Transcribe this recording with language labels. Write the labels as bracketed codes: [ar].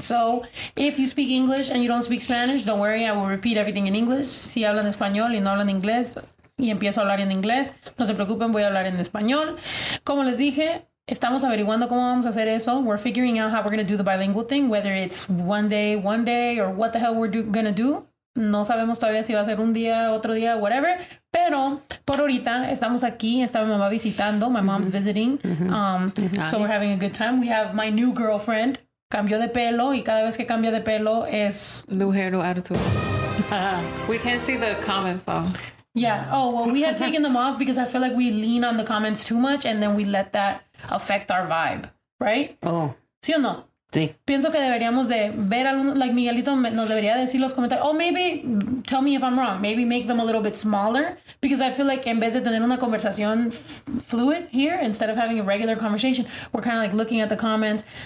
[en] So if you speak English and you don't speak Spanish, don't worry. I will repeat everything in English. [es] Si hablan español y no hablan inglés y empiezo a hablar en inglés, no se preocupen, voy a hablar en español. Como les dije, estamos averiguando cómo vamos a hacer eso. [en] We're figuring out how we're going to do the bilingual thing, whether it's one day, or what the hell we're going to do. [es] No sabemos todavía si va a ser un día, otro día, whatever. Pero por ahorita estamos aquí. Está mi mamá visitando. [en] My mom's visiting. So we're having a good time. We have my new girlfriend. [es] Cambió de pelo. Y cada vez que cambia de pelo es... [en] New hair, new attitude. We can see the comments though. Yeah. Oh, well, we had taken them off because I feel like we lean on the comments too much. And then we let that affect our vibe. Right? Oh. [es] ¿Sí o no? Sí. Pienso que deberíamos de ver algunos, like Miguelito nos debería decir los comentarios. [en] Oh, maybe, tell me if I'm wrong. Maybe make them a little bit smaller. Because I feel like [es] en vez de tener una conversación [en] fluid here, instead of having a regular conversation, we're kind of like looking at the comments.